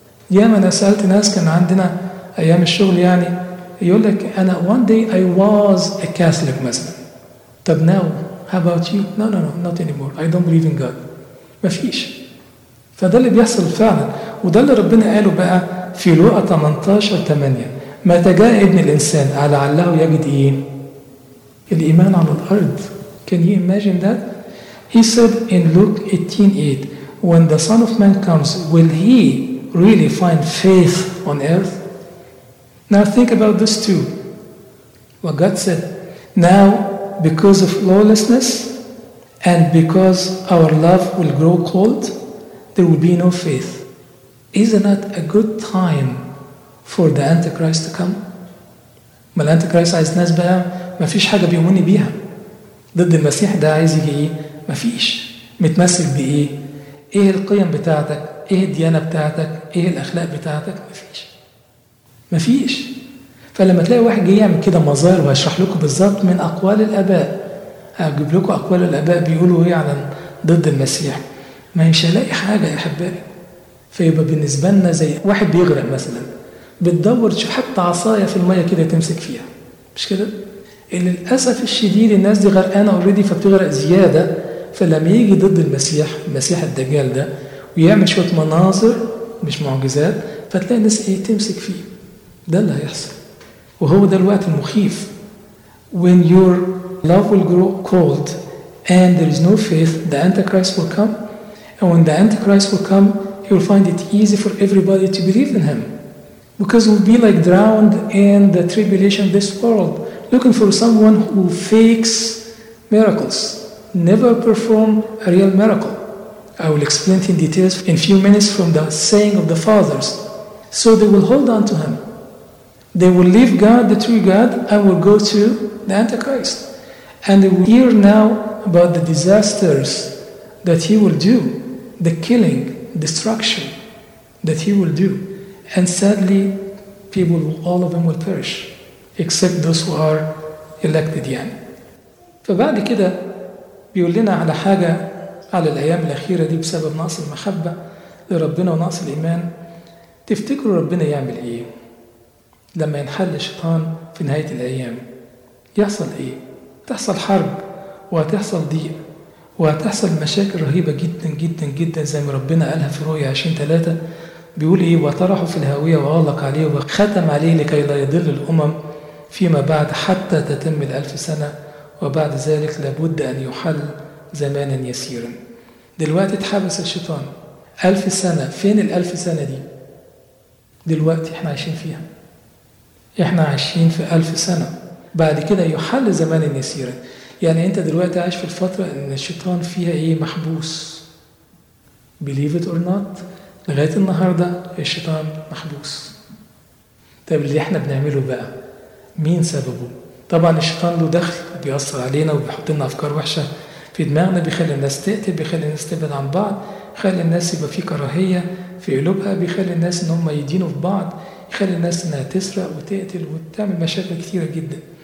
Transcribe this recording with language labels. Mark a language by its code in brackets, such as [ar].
[ar] ياما انا سالت ناس كان عندنا ايام الشغل يعني يقول لك أنا [en] one day I was a Catholic [ar] مثلا طب [en] now how about you no not anymore I don't believe in God [ar] مفيش فده اللي بيحصل فعلا وده اللي ربنا قاله بقى في لوقا 18:8 متى جاء ابن الإنسان على علّه يجد إيه الإيمان على الأرض [en] can you imagine that he said in Luke 18:8 when the son of man comes will he really find faith on earth Now think about this too. What God said, now because of lawlessness and because our love will grow cold, there will be no faith. Isn't that a good time for the Antichrist to come? [ar] ما الأنتيكريست عايز ناس بقى ما فيش حاجة بيؤمني بيها. ضد المسيح ده عايز يجي إيه؟ ما فيش. متمسك بإيه؟ إيه القيم بتاعتك؟ إيه الديانة بتاعتك؟ إيه الأخلاق بتاعتك؟ ما فيش. ما فيش فلما تلاقي واحد جاي يعمل كده مظاهر وهشرح لكم بالظبط من اقوال الاباء هجيب لكم اقوال الاباء بيقولوا ايه على ضد المسيح ما مش هلاقي حاجه يا احبائي فيبقى بالنسبه لنا زي واحد بيغرق مثلا بتدور تشوف حتى عصايه في الميه كده تمسك فيها مش كده للاسف الشديد الناس دي غرقانه اوريدي فبتغرق زياده فلما يجي ضد المسيح المسيح الدجال ده ويعمل شوية مناظر مش معجزات فتلاقي الناس ايه تمسك فيه. ده اللي هيحصل وهو ده الوقت المخيف. [en] When your love will grow cold and there is no faith, the Antichrist will come. And when the Antichrist will come, he will find it easy for everybody to believe in him. Because we'll be like drowned in the tribulation of this world, looking for someone who fakes miracles, never perform a real miracle. I will explain it in details in a few minutes from the saying of the fathers. So they will hold on to him. They will leave God, the true God, and will go to the Antichrist. And they will hear now about the disasters that he will do, the killing, destruction that he will do. And sadly, people, all of them will perish, except those who are elected. [ar] يعني. فبعد كده بيقول لنا على حاجة على الأيام الأخيرة دي بسبب نقص المحبة لربنا ونقص الإيمان. تفتكروا ربنا يعمل إيه؟ لما ينحل الشيطان في نهاية الأيام يحصل إيه؟ تحصل حرب وتحصل ضيق وتحصل مشاكل رهيبة جدا جدا جدا زي ما ربنا قالها في رؤية 20-3 بيقول إيه؟ وطرحوا في الهاوية وغلق عليه وختم عليه لكي لا يضل الأمم فيما بعد حتى تتم 1000 سنة وبعد ذلك لابد أن يحل زمانا يسيرا. دلوقتي اتحبس الشيطان 1000 سنة. فين 1000 سنة دي؟ دلوقتي احنا عايشين فيها. احنا عايشين في 1000 سنة. بعد كده يحل زمان يسيرا. يعني انت دلوقتي عايش في الفترة ان الشيطان فيها ايه؟ محبوس. [en] Believe it or not, [ar] لغاية النهاردة الشيطان محبوس. طيب اللي احنا بنعمله بقى مين سببه؟ طبعا الشيطان له دخل بيأثر علينا وبيحط لنا افكار وحشة في دماغنا، بيخلي الناس تقتل، بيخلي الناس تبعد عن بعض، خلي الناس يبقى في كراهية في قلوبها، بيخلي الناس ان هم يدينوا في بعض، يخلي الناس انها تسرق وتقتل وتعمل مشاكل كثيرة جدا.